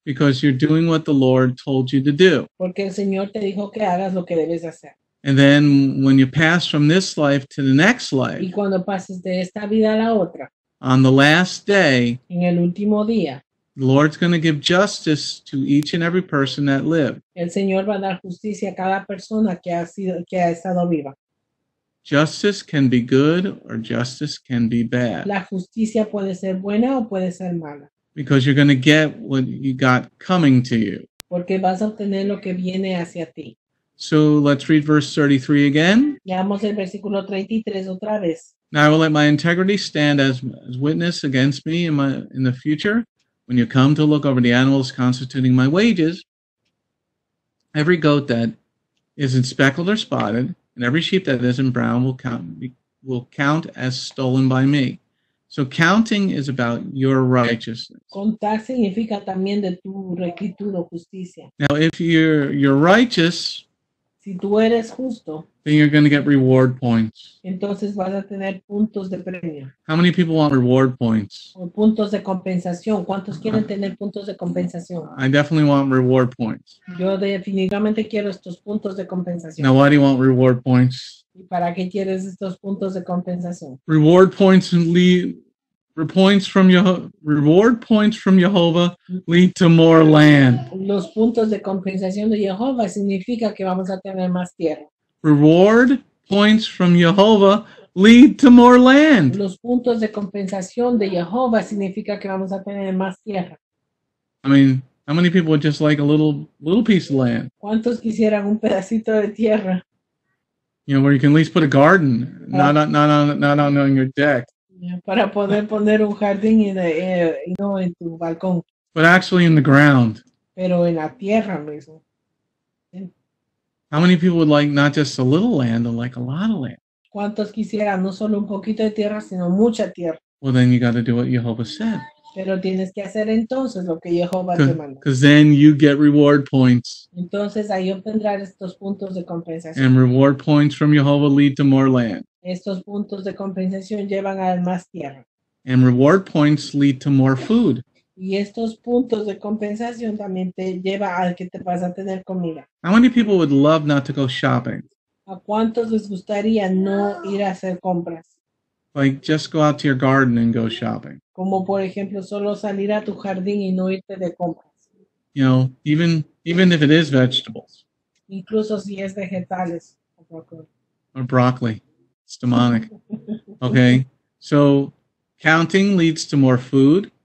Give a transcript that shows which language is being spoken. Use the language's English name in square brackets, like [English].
[English] Because you're doing what the Lord told you to do. [Spanish] Porque el Señor te dijo que hagas lo que debes hacer. [English] And then when you pass from this life to the next life. [Spanish] Y cuando pases de esta vida a la otra. [English] On the last day. [Spanish] En el último día. [English] The Lord's going to give justice to each and every person that lived. [Spanish] El Señor va a dar justicia a cada persona que ha sido, que ha estado viva. [English] Justice can be good or justice can be bad. [Spanish] La justicia puede ser buena o puede ser mala. [English] Because you're going to get what you got coming to you. [Spanish] Porque vas a obtener lo que viene hacia ti. [English] So let's read verse 33 again. [Spanish] Leamos el versículo 33 otra vez. [English] Now I will let my integrity stand as witness against me in the future. When you come to look over the animals constituting my wages, every goat that isn't speckled or spotted, and every sheep that isn't brown will count as stolen by me. So counting is about your righteousness. [Spanish] Contar significa también de tu rectitud o justicia. [English] Now, if you're righteous, [Spanish] si tú eres justo, [English] then you're going to get reward points. [Spanish] Entonces vas a tener puntos de premio. [English] How many people want reward points? [Spanish] O puntos de compensación. ¿Cuántos quieren tener puntos de compensación? [English] I definitely want reward points. [Spanish] Yo definitivamente quiero estos puntos de compensación. [English] Now, why do you want reward points? [Spanish] ¿Y para qué quieres estos puntos de compensación? [English] Reward points lead points from reward points from Yehovah lead to more land. [Spanish] Los puntos de compensación de Jehová significa que vamos a tener más tierra. [English] Reward points from Yehovah lead to more land. [Spanish] Los puntos de compensación de Jehová significa que vamos a tener más tierra. [English] I mean, how many people would just like a little piece of land? [Spanish] ¿Cuántos quisieran un pedacito de tierra? [English] You know, where you can at least put a garden, not on your deck. [Spanish] Para poder poner un jardín y no en tu balcón. [English] But actually in the ground. [Spanish] Pero en la tierra mismo. [English] How many people would like not just a little land, but like a lot of land? [Spanish] ¿Cuántos quisieran no solo un poquito de tierra, sino mucha tierra? [English] Well, then you got to do what Jehovah said. [Spanish] Pero tienes que hacer entonces lo que Jehovah te manda. [English] Because then you get reward points. [Spanish] Entonces ahí obtendrás estos puntos de compensación. [English] And reward points from Jehovah lead to more land. [Spanish] Estos puntos de compensación llevan a más tierra. [English] And reward points lead to more food. [Spanish] Y estos puntos de compensación también te lleva al que te vas a tener comida. [English] How many people would love not to go shopping? [Spanish] ¿A cuántos les gustaría no ir a hacer compras? [English] Like just go out to your garden and go shopping. [Spanish] Como por ejemplo solo salir a tu jardín y no irte de compras. [English] You know, even if it is vegetables. [Spanish] Incluso si es vegetales. [English] Or broccoli. It's demonic. Okay. So counting leads to more food.